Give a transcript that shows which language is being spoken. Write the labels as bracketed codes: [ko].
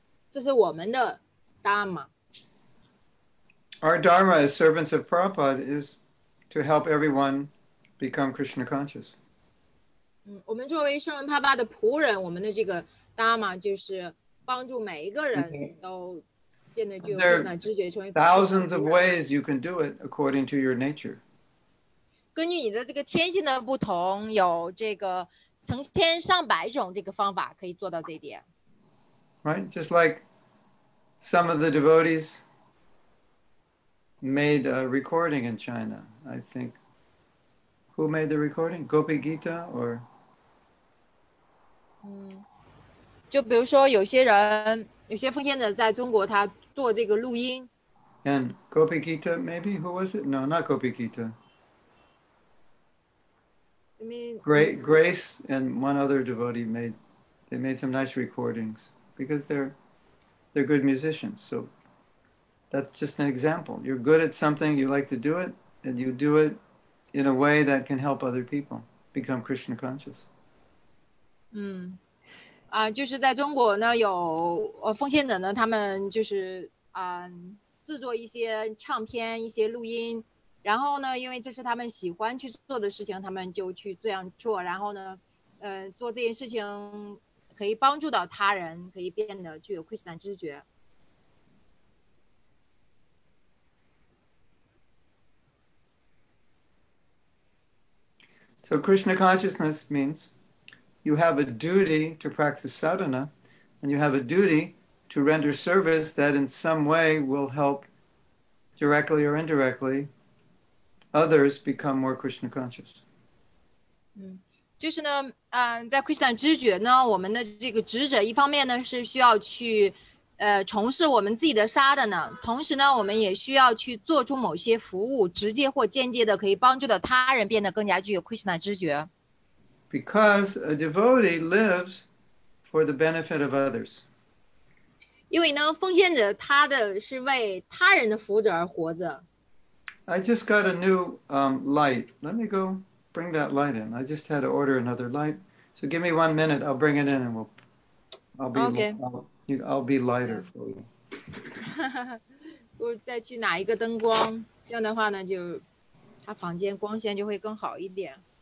[zh] 这是我们的 dharma. [en] Our dharma as servants of Prabhupada is to help everyone become Krishna conscious. [zh] 我们作为圣文帕巴的仆人，我们的这个 dharma 就是帮助每一个人都。 Mm-hmm. [en] There are thousands of ways you can do it according to your nature. [zh] 根据你的这个天性的不同，有这个成千上百种这个方法可以做到这一点。 [en] Right, just like some of the devotees made a recording in China. I think who made the recording? Gopi Gita or? [zh] 就比如说有些人，有些奉献者在中国他。做这个录音 [en] and Gopi Gita maybe who was it? No, not Gopi Gita. I mean, Grace and one other devotee made some nice recordings because they're good musicians. So that's just an example. You're good at something, you like to do it, and you do it in a way that can help other people become Krishna conscious. [zh] 就是在中国呢，有奉献者呢，他们就是制作一些唱片、一些录音，然后呢，因为这是他们喜欢去做的事情，他们就去这样做，然后呢，做这件事情可以帮助到他人，可以变得具有亏欠的知觉。 [en] So Krishna consciousness means you have a duty to practice sadhana, and you have a duty to render service that in some way will help directly or indirectly others become more Krishna conscious. [zh] 就是呢，在 Krishna 知觉呢，我们的这个职责一方面呢是需要去，从事我们自己的沙的呢，同时呢，我们也需要去做出某些服务，直接或间接的可以帮助到他人变得更加具有 Krishna 知觉。 [en] Because a devotee lives for the benefit of others. [zh] 因为呢，奉献者他的是为他人的福祉而活着。 [en] I just got a new light. Let me go. Bring that light in. I just had to order another light. So give me 1 minute. I'll bring it in and I'll be lighter for you. [zh] 我再去拿一个灯光，这样的话呢，就他房间光线就会更好一点。